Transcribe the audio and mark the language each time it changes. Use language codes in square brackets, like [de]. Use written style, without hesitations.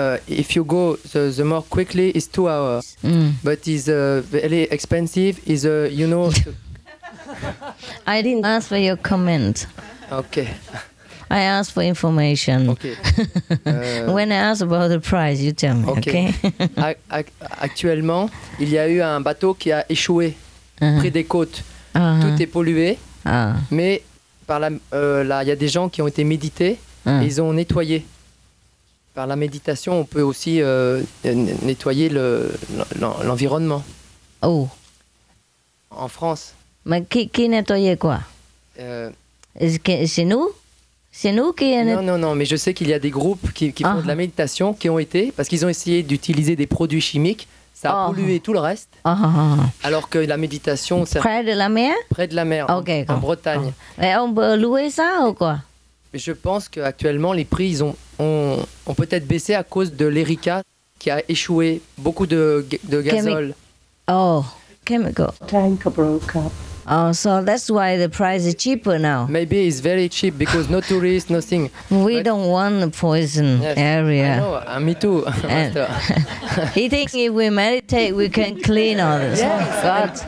[en] If you go, the more quickly, it's 2 hours. Mm. But it's very expensive. It's, you know... I didn't ask for your comment. Okay. I ask for information. Okay. When I ask about the price, you tell me, okay? [fr] Actuellement, il y a eu un bateau qui a échoué près des côtes. Tout est pollué. Mais par la, là, il y a des gens qui ont été médités. Ils ont nettoyé. Par la méditation, on peut aussi nettoyer l'environnement. Oh. En France. Mais qui nettoyait quoi? C'est nous? C'est nous qui... Non, mais je sais qu'il y a des groupes qui font de la méditation, qui ont été, parce qu'ils ont essayé d'utiliser des produits chimiques, ça a pollué tout le reste, alors que la méditation... Près de la mer? Près de la mer, [en] okay, [fr] en Bretagne. Et on peut louer ça ou quoi? Je pense qu'actuellement, les prix ont peut-être baissé à cause de l'Erika qui a échoué, beaucoup de gazole. [en] Chemical. Tanker broke up. Oh, so that's why the price is cheaper now. Maybe it's very cheap because no tourists, nothing. We but don't want the poison yes, area. I know, me too. He thinks if we meditate, we can clean all this. Yes. Oh, God.